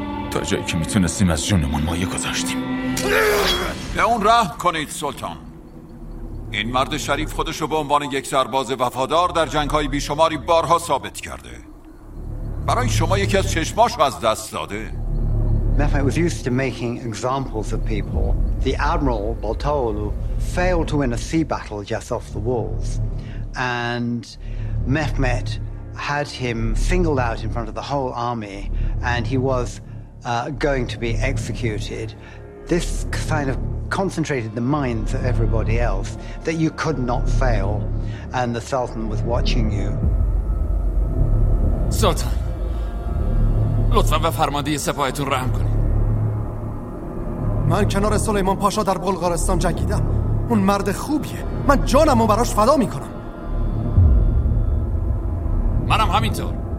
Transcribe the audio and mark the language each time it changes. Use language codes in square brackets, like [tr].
[fa] تا جایی که میتونستیم از جونمون مایه گذاشتیم. به اون رحم کنید سلطان. این مرد شریف خودشو به عنوان یک سرباز وفادار در جنگ‌های بیشماری بارها ثابت کرده. برای شما یکی از چشماشو از دست داده. [en] Mephite was used to making examples of people. The admiral Bartolo failed to win a sea battle just off the walls, and Mehmet had him singled out in front of the whole army, and he was going to be executed. This kind of concentrated the minds of everybody else that you could not fail, and the Sultan was watching you. [fa] Sultan, لطفاً به فرمانده سپاهتون رحم کنید. من کنار سلیمان پاشا در بلغارستان جنگیدم. اون مرد خوبیه. من جانم رو براش فدا میکنم. منم همینطور.